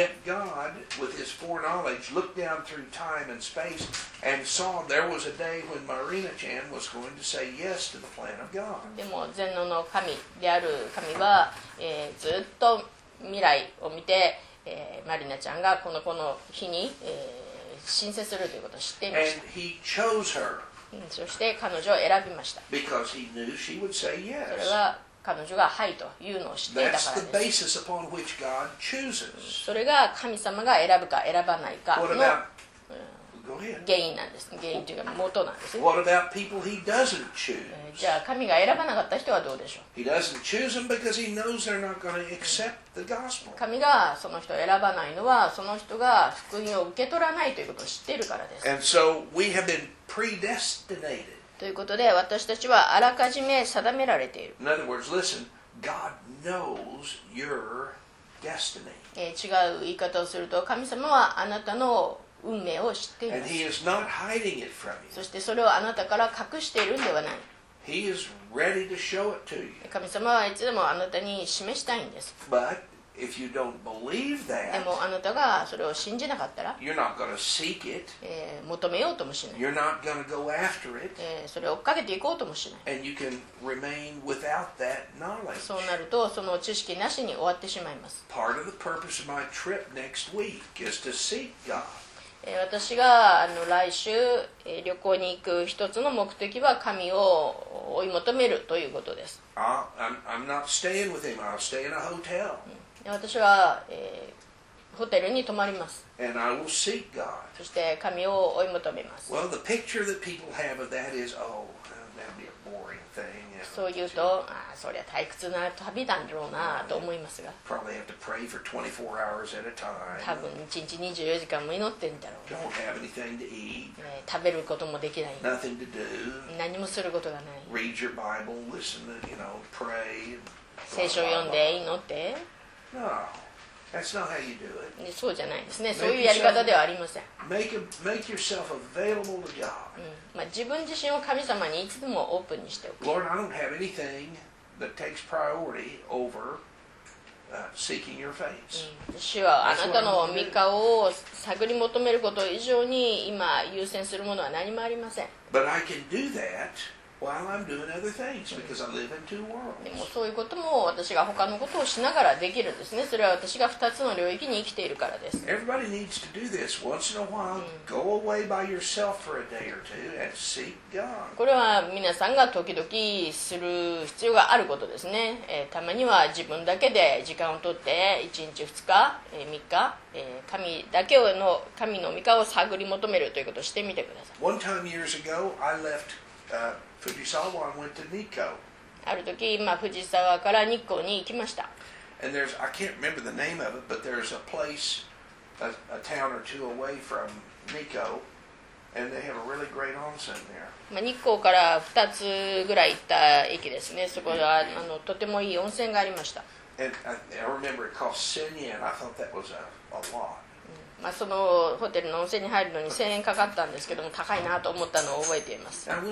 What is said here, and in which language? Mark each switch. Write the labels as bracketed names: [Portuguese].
[English] And yet God, with his foreknowledge, looked down through time and space and saw there was a day when Marina Chan was going to say yes to the plan of God. [Japanese] でも全能の神である神は、ずっと未来を見て、マリナちゃんがこの子の日に、申請するということを知っていました。 [English] And he chose her. [Japanese] そして彼女を選びました。 [English] Because he knew she would say yes. [Japanese] それは彼女がはいというのを知っていたからです。 [English] That's the basis upon which God chooses. [Japanese] それが神様が選ぶか選ばないかの原因なんです。原因というか元なんです。 [English] What about people he doesn't choose? [Japanese] じゃあ神が選ばなかった人はどうでしょう。 [English] He doesn't choose them because he knows they're not going to accept the gospel. [Japanese] 神がその人を選ばないのはその人が福音を受け取らないということを知っているからです。 [English] And so we have been predestinated. [Japanese] ということで私たちはあらかじめ定められている。 [English] In other words, listen, God knows your destiny. [Japanese] 違う言い方をすると神様はあなたの運命を知っています。 [English] And he is not hiding it from you. [Japanese] そしてそれをあなたから隠しているんではない。 [English] He is ready to show it to you. [Japanese] 神様はいつでもあなたに示したいんです。 [English] But if you don't believe that, [Japanese] でもあなたがそれを信じなかったら、 [English] you're not going to seek it. [Japanese] 求めようともしない。 [English] You're not going to go after it. [Japanese] それを追っかけていこうともしない。 [English] And you can remain without that knowledge. [Japanese] そうなるとその知識なしに終わってしまいます。 [English] Part of the purpose of my trip next week is to seek God. [Japanese] 私が来週旅行に行く一つの目的は神を追い求めるということです。 [English] I'm not staying with him. I'll stay in a hotel. [Japanese] 私は、ホテルに泊まります。 [English] And I will seek God. [Japanese] そして神を追い求めます。 [English] Well, the picture that people have of that is, oh, that'd be a boring thing. [Japanese] そう言うと、そりゃ退屈な旅だろうなと思いますが。 [English] Probably have to pray for 24 hours at a time. [Japanese] 多分1日24時間も祈ってんだろう。 [English] Don't have anything to eat. [Japanese] 食べることもできない。 [English] Nothing to do. [Japanese] 何もすることがない。 [English] Read your Bible, listen, you know, pray. [Japanese] 聖書を読んで祈って。 [English] No, that's not how you do it. [Japanese] そうじゃないですね。そういうやり方ではありません。 [English] Make yourself available to God. [Japanese] まあ、自分自身を神様にいつでもオープンにしておく。 [English] Lord, I don't have anything that takes priority over seeking your face. [Japanese] 主はあなたの御顔を探り求めること以上に今優先するものは何もありません。 [English] But I can do that. While I'm doing other things, because I live in two worlds. [Japanese] でもそういうことも私が他のことをしながらできるんですね。それは私が2つの領域に生きているからです。 [English] Everybody needs to do this once in a while. Go away by yourself for a day or two and seek God. [Japanese] これは皆さんが時々する必要があることですね。たまには自分だけで時間を取って1日2日、3日、神だけの神の御顔を探り求めるということをしてみてください。 [English] One time years ago, I left. Fujisawa and went to Nikko. [Japanese] ある時、まあ、Fujisawa から日光に行きました。 [English] And there's, I can't remember the name of it, but there's a place, a town or two away from Nikko, and they have a really great onsen there. [Japanese] まあ、日光から2つぐらい行った駅ですね。そこは、とてもいい温泉がありました。 [English] And I remember it called Senyan. I thought that was a lot. [Japanese] まあ、そのホテルの温泉に入るのに1000円かかったんですけども高いなと思ったのを覚えています。